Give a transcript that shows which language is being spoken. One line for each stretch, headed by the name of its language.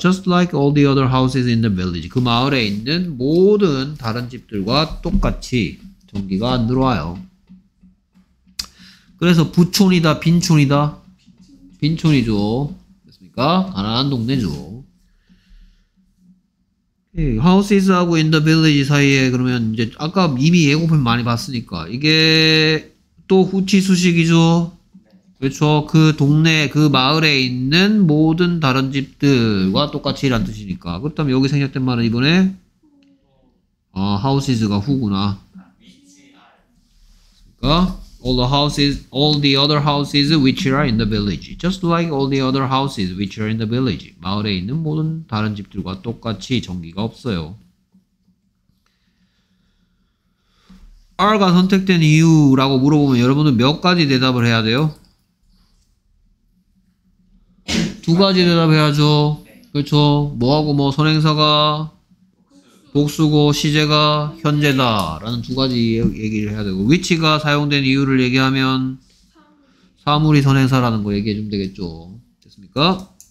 English: Just like all the other houses in the village.
Korean: 그 마을에 있는 모든 다른 집들과 똑같이 전기가 안 들어와요. 그래서 부촌이다? 빈촌이다? 빈촌이죠. 됐습니까? 가난한 동네죠. Okay. Houses하고 in the village 사이에 그러면 이제 아까 이미 예고편 많이 봤으니까 이게 또 후치 수식이죠. 그렇죠. 그 동네, 그 마을에 있는 모든 다른 집들과 똑같이 이란 뜻이니까. 그렇다면 여기 생략된 말은 이번에 아, houses가 후구나. 그러니까
English: all the houses, all the other houses which are in the village. Just like all the other houses which are in the village.
Korean: 마을에 있는 모든 다른 집들과 똑같이 전기가 없어요. R가 선택된 이유라고 물어보면 여러분은 몇 가지 대답을 해야 돼요? 두 가지 대답해야죠. 그렇죠. 뭐하고 뭐 선행사가 복수고 시제가 현재다 라는 두 가지 얘기를 해야 되고 위치가 사용된 이유를 얘기하면 사물이 선행사라는 거 얘기해 주면 되겠죠. 됐습니까?